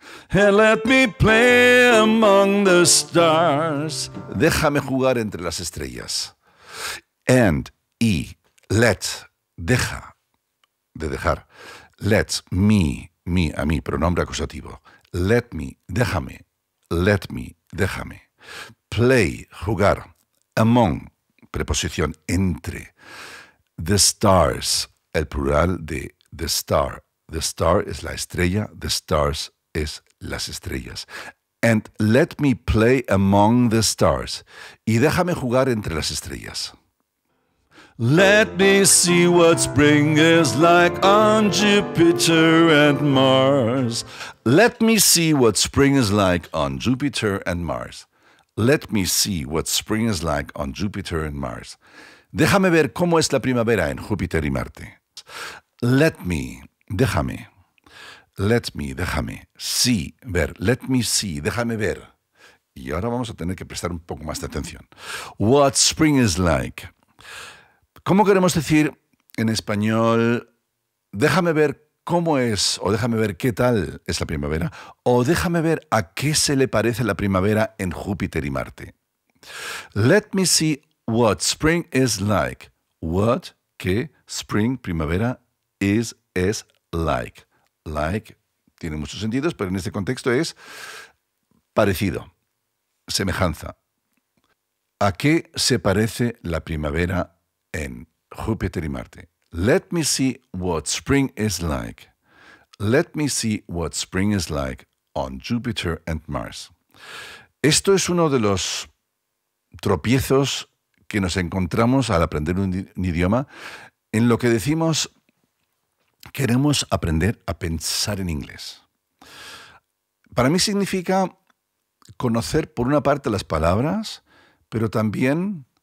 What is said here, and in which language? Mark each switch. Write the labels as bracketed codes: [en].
[en] And let me play among the stars. [es] Déjame jugar entre las estrellas. And. Y. Let. Deja, de dejar. [en] Let me, me, [es] a mí, pronombre acusativo. [en] Let me, [es] déjame. [en] Let me, [es] déjame. [en] Play, [es] jugar. Among, preposición entre. [en] The stars, [es] el plural de [en] the star. The star [es] es la estrella, [en] the stars [es] es las estrellas. [en] And let me play among the stars. [es] Y déjame jugar entre las estrellas. [en] Let me see what spring is like on Jupiter and Mars. Let me see what spring is like on Jupiter and Mars. Let me see what spring is like on Jupiter and Mars. [es] Déjame ver cómo es la primavera en Júpiter y Marte. [en] Let me, [es] déjame. [en] Let me, déjame. See, ver. Let me see, [es] déjame ver. Y ahora vamos a tener que prestar un poco más de atención. [en] What spring is like. [es] ¿Cómo queremos decir en español, déjame ver cómo es, o déjame ver qué tal es la primavera, o déjame ver a qué se le parece la primavera en Júpiter y Marte? [en] Let me see what spring is like. What, qué, spring, [es] primavera, [en] is like. [es] Like tiene muchos sentidos, pero en este contexto es parecido, semejanza. ¿A qué se parece la primavera en Júpiter y Marte? Let me see what spring is like. [en] Let me see what spring is like on Jupiter and Mars. [es] Esto es uno de los tropiezos que nos encontramos al aprender un idioma, en lo que decimos, queremos aprender a pensar en inglés. Para mí significa conocer, por una parte, las palabras, pero también